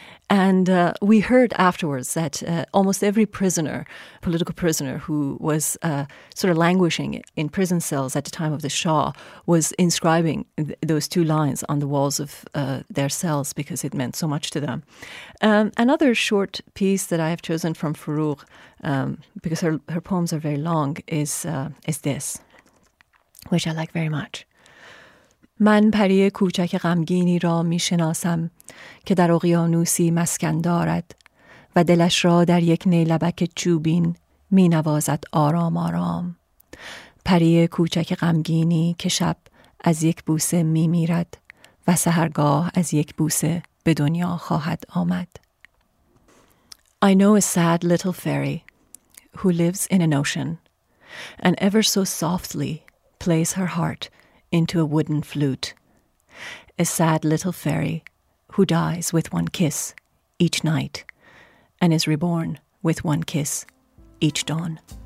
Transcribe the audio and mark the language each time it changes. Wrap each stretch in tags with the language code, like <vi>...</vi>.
<en>And we heard afterwards that almost every prisoner, political prisoner, who was sort of languishing in prison cells at the time of the Shah, was inscribing those two lines on the walls of their cells because it meant so much to them. Another short piece that I have chosen from Farrukh, because her poems are very long, is this, which I like very much.</en> <fa>من پری کوچک غمگینی را می شناسم که در اقیانوسی مسکن دارد و دلش را در یک نیلبک چوبین می نوازد آرام آرام. پری کوچک غمگینی که شب از یک بوسه می میرد و سحرگاه از یک بوسه به دنیا خواهد آمد.</fa> <en>I know a sad little fairy who lives in an ocean and ever so softly plays her heart into a wooden flute, a sad little fairy who dies with one kiss each night and is reborn with one kiss each dawn.</en>